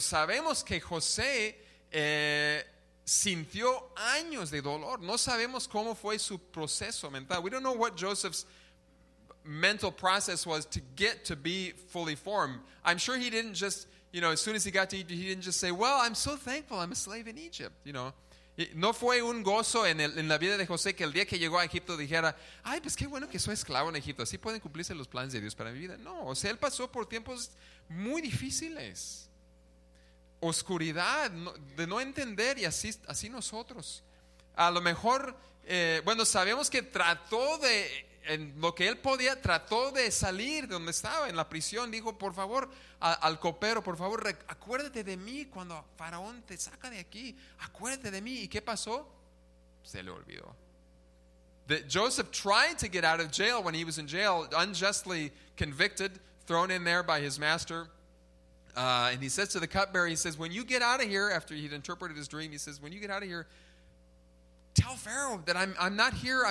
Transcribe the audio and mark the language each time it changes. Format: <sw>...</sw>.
<es>Sabemos que José sintió años de dolor. No sabemos cómo fue su proceso mental.</es> <en>We don't know what Joseph's mental process was to get to be fully formed. I'm sure he didn't just, you know, as soon as he got to Egypt, he didn't just say, well, I'm so thankful I'm a slave in Egypt, you know.</en> <es>No fue un gozo en la vida de José que el día que llegó a Egipto dijera, ay, pues qué bueno que soy esclavo en Egipto, así pueden cumplirse los planes de Dios para mi vida. No, o sea, él pasó por tiempos muy difíciles. Oscuridad, de no entender, y así nosotros. A lo mejor, bueno, sabemos que trató de, en lo que él podía, trató de salir de donde estaba, en la prisión. Dijo, por favor, al copero, por favor, acuérdate de mí cuando Faraón te saca de aquí. Acuérdate de mí. ¿Y qué pasó? Se le olvidó.</es> <en>Joseph tried to get out of jail when he was in jail, unjustly convicted, thrown in there by his master. And he says to the cupbearer, he says, when you get out of here, after he'd interpreted his dream, he says, when you get out of here, tell Pharaoh that I'm not here.</en>